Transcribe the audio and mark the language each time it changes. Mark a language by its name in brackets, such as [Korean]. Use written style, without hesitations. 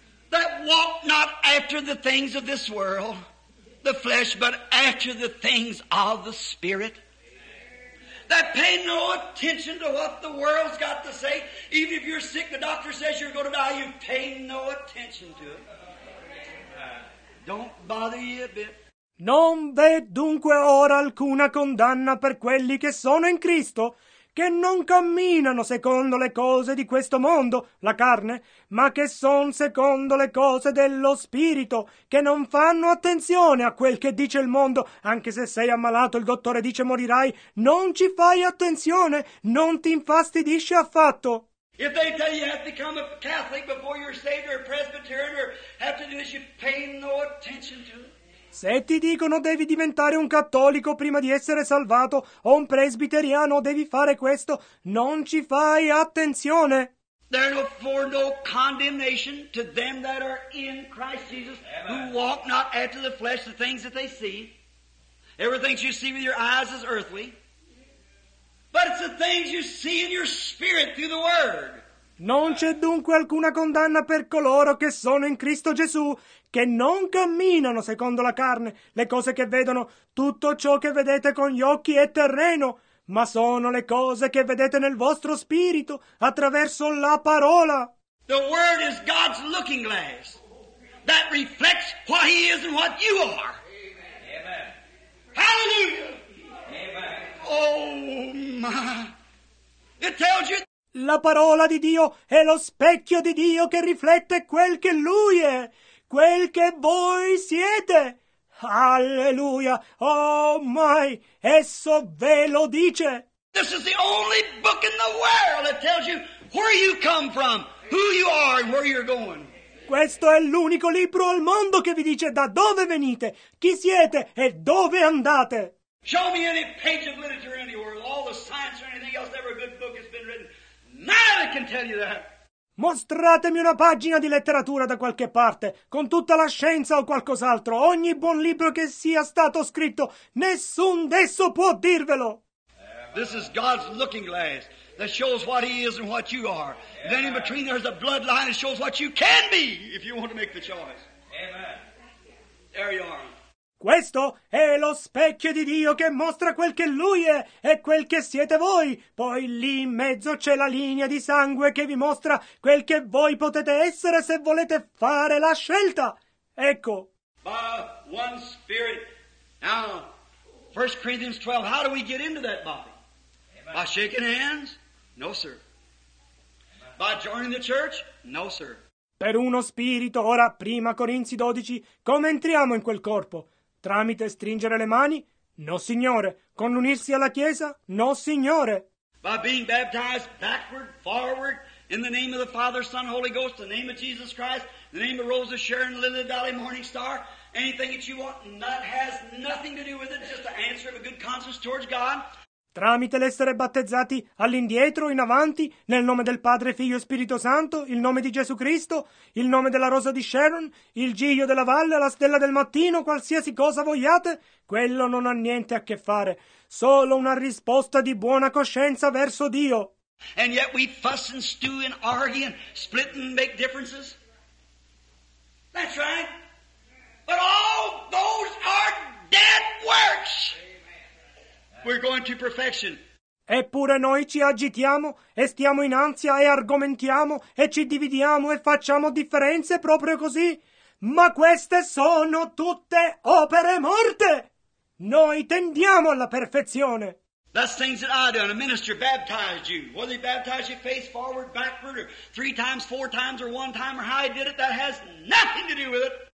[English] That walk not after the things of this world, the flesh, but after the things of the Spirit. That pay no attention to what the world's got to say. Even if you're sick, the doctor says you're going to die, you pay no attention to it. Don't bother you a bit. [Italian] Non v'è dunque ora alcuna condanna per quelli che sono in Cristo, che non camminano secondo le cose di questo mondo, la carne, ma che son secondo le cose dello spirito, che non fanno attenzione a quel che dice il mondo, anche se sei ammalato, il dottore dice morirai, non ci fai attenzione, non ti infastidisce affatto. [English] If they tell you have to become a Catholic before you're saved or a Presbyterian or have to do this, you pay no attention to it. [Italian] Se ti dicono devi diventare un cattolico prima di essere salvato, o un presbiteriano, devi fare questo, non ci fai attenzione. [English] Therefore no condemnation to them that are in Christ Jesus, who walk not after the flesh, the things that they see. Everything you see with your eyes is earthly. But it's the things you see in your spirit through the word. [Italian] Non c'è dunque alcuna condanna per coloro che sono in Cristo Gesù, che non camminano secondo la carne, le cose che vedono, tutto ciò che vedete con gli occhi è terreno, ma sono le cose che vedete nel vostro spirito, attraverso la parola. [English] The word is God's looking glass that reflects what he is and what you are. Amen. Hallelujah. Amen. Oh my. It tells you. [Italian] La parola di Dio è lo specchio di Dio che riflette quel che Lui è, quel che voi siete. Alleluia! [English] Oh my! [Italian] Esso ve lo dice! [English] This is the only book in the world that tells you where you come from, who you are, and where you're going. [Italian] Questo è l'unico libro al mondo che vi dice da dove venite, chi siete e dove andate. [English] Show me any page of literature anywhere, all the science or anything else, ever a good book has been written. None can tell you that. [Italian] Mostratemi una pagina di letteratura da qualche parte, con tutta la scienza o qualcos'altro, ogni buon libro che sia stato scritto, nessun desso può dirvelo. [English] This is God's looking glass that shows what he is and what you are. Yeah. Then in between there's a bloodline that shows what you can be if you want to make the choice. Amen. There you are. [Italian] Questo è lo specchio di Dio che mostra quel che Lui è e quel che siete voi. Poi lì in mezzo c'è la linea di sangue che vi mostra quel che voi potete essere se volete fare la scelta. Ecco. [English] By one spirit. Now, 1 Corinthians 12, how do we get into that body? Amen. By shaking hands? No, sir. Amen. By joining the church? No, sir. [Italian] Per uno spirito, ora, 1 Corinzi 12, come entriamo in quel corpo? Tramite stringere le mani? No, Signore. Con unirsi alla Chiesa? No, Signore. [English] By being baptized backward, forward, in the name of the Father, Son, Holy Ghost, the name of Jesus Christ, the name of Rosa, Sharon, Lily, Dolly, Morning Star, anything that you want, that has nothing to do with it, just the answer of a good conscience towards God. [Italian] Tramite l'essere battezzati all'indietro, in avanti, nel nome del Padre, Figlio e Spirito Santo, il nome di Gesù Cristo, il nome della Rosa di Sharon, il Giglio della Valle, la Stella del Mattino, qualsiasi cosa vogliate, quello non ha niente a che fare, solo una risposta di buona coscienza verso Dio. [English] And yet we fuss and stew and argue and split and make differences. That's right. But all those are dead works. We're going to perfection. [Italian] Eppure noi ci agitiamo e stiamo in ansia e argomentiamo e ci dividiamo e facciamo differenze proprio così. Ma queste sono tutte opere morte. Noi tendiamo alla perfezione. [English] That's things that I do, and a minister baptized you. Whether he baptized you face forward, backward, or three times, four times, or one time, or how he did it, that has nothing to do with it.